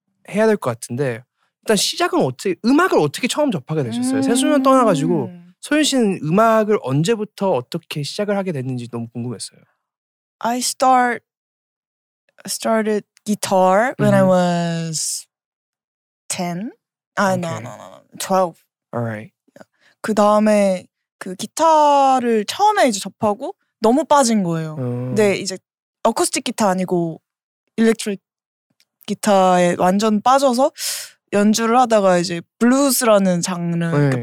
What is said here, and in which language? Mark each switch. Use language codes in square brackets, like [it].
[ko] 해야 될 것 같은데 일단 시작은 어떻게 음악을 어떻게 처음 접하게 되셨어요? 채소년 떠나가지고 소윤 씨는 음악을 언제부터 어떻게 시작을 하게 됐는지 너무 궁금했어요. [en] I started guitar when mm-hmm. I was 10? Okay. No. 12. Alright. Yeah. [ko] 그 다음에 그 기타를 처음에 이제 접하고 너무 빠진 거예요. 근데 이제 어쿠스틱 기타 아니고 일렉트릭 기타에 완전 빠져서 연주를 하다가 이제 블루스라는 장르, 네.